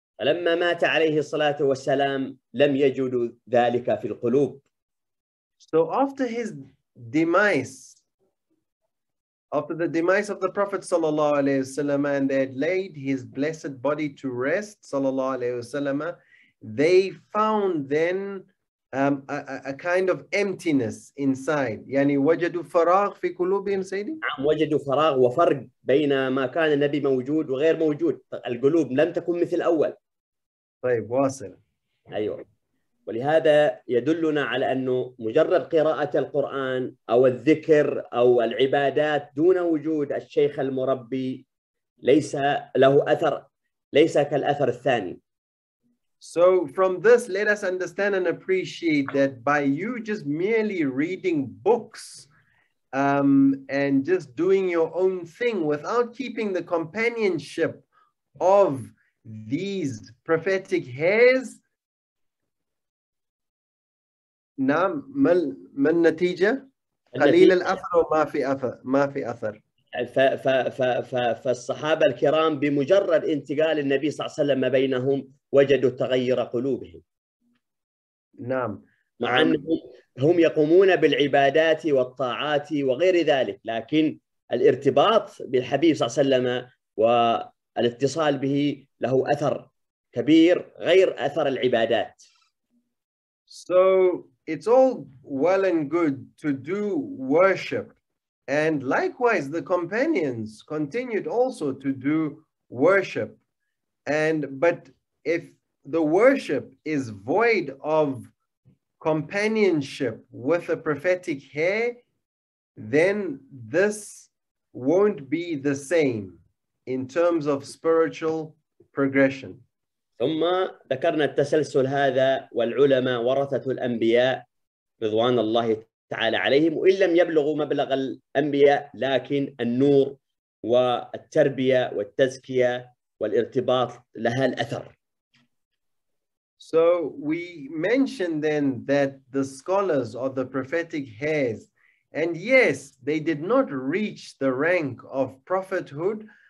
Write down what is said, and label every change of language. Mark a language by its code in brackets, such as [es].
[ar] لما مات عليه الصلاة والسلام لم يجد ذلك في القلوب. [en] So after his demise, after the demise of the Prophet sallallahu alaihi wasallam, and they had laid his blessed body to rest sallallahu alaihi wasallam, they found then a kind of emptiness inside. [ar] يعني وجدوا فراغ في قلوبهم سيدي. نعم وجدوا فراغ وفرق بين ما كان النبي موجود وغير موجود. القلوب لم تكن مثل الأول. طيب واصل. أيوة. ولهذا يدلنا على أنه مجرد قراءة القرآن أو الذكر أو العبادات دون وجود الشيخ المربي ليس له أثر، ليس كالأثر الثاني. [en] So from this let us understand and appreciate that by you just merely reading books and just doing your own thing without keeping the companionship of these prophetic hairs, [ar] نعم ما النتيجة؟ قليل الأثر وما في أثر ما في أثر. فالصحابة الكرام بمجرد انتقال النبي صلى الله عليه وسلم بينهم وجدوا تغير قلوبهم. نعم. مع أنهم هم يقومون بالعبادات والطاعات وغير ذلك، لكن الارتباط بالحبيب صلى الله عليه وسلم والاتصال به له أثر كبير غير أثر العبادات. [en] So it's all well and good to do worship, and likewise the companions continued also to do worship, and but if the worship is void of companionship with a prophetic hair, then this won't be the same in terms of spiritual progression. [ar] ثم ذكرنا التسلسل هذا والعلماء ورثة الأنبياء رضوان الله تعالى عليهم، وإن لم يبلغوا مبلغ الأنبياء لكن النور والتربية والتزكية والارتباط لها الأثر. [en] So we mentioned then that the scholars of the prophetic hairs, and yes, they did not reach the rank of prophethood.